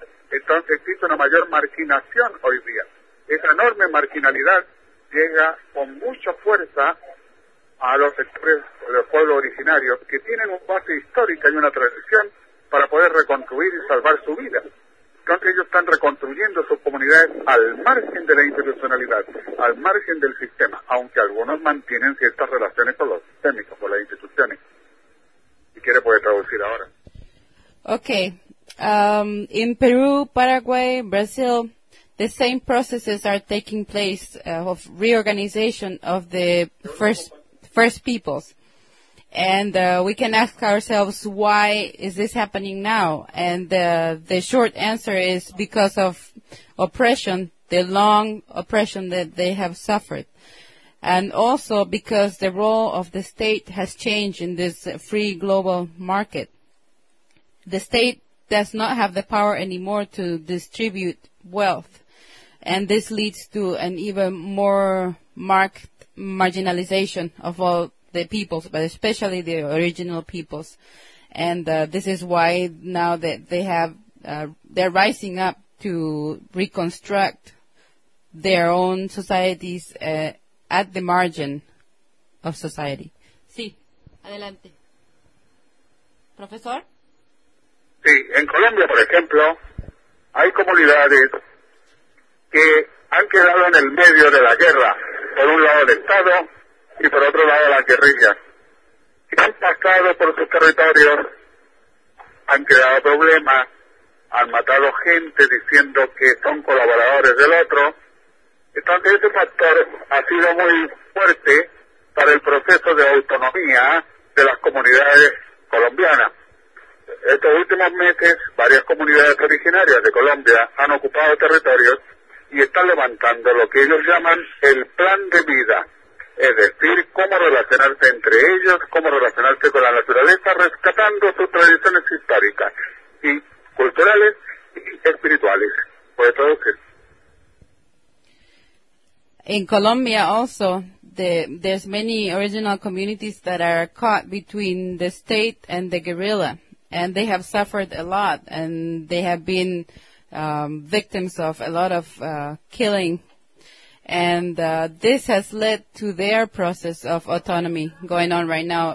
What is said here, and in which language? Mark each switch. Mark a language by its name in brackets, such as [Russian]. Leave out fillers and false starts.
[Spanish] Entonces existe una mayor marginación hoy día. Esa enorme marginalidad llega con mucha fuerza a los sectores, a los pueblos originarios, que tienen un base histórico y una tradición para poder reconstruir y salvar su vida. Entonces ellos están reconstruyendo sus comunidades al margen de la institucionalidad, al margen del sistema, aunque algunos mantienen ciertas relaciones con los sistémicos, con las instituciones. Si quiere, puede traducir ahora. [English] Okay. In Peru, Paraguay, Brazil, the same processes are taking place of reorganization of the first peoples. And we can ask ourselves, why is this happening now? And the short answer is because of oppression, the long oppression that they have suffered. And also because the role of the state has changed in this free global market. The state does not have the power anymore to distribute wealth. And this leads to an even more marked marginalization of all the peoples, but especially the original peoples. And this is why now that they have, they're rising up to reconstruct their own societies at the margin of society. [Spanish] Sí, adelante. Profesor? Sí, en Colombia, por ejemplo, hay comunidades que han quedado en el medio de la guerra. Por un lado el Estado y por otro lado las guerrillas, que han pasado por sus territorios, han creado problemas, han matado gente diciendo que son colaboradores del otro. Entonces ese factor ha sido muy fuerte para el proceso de autonomía de las comunidades colombianas. Estos últimos meses varias comunidades originarias de Colombia han ocupado territorios y están levantando lo que ellos llaman el plan de vida, es decir, cómo relacionarse entre ellos, cómo relacionarse con la naturaleza, rescatando sus tradiciones históricas y culturales y espirituales. ¿Puede traducir? [English] In Colombia also, there's many original communities that are caught between the state and the guerrilla, and they have suffered a lot, and they have been victims of a lot of killing, and this has led to their process of autonomy going on right now.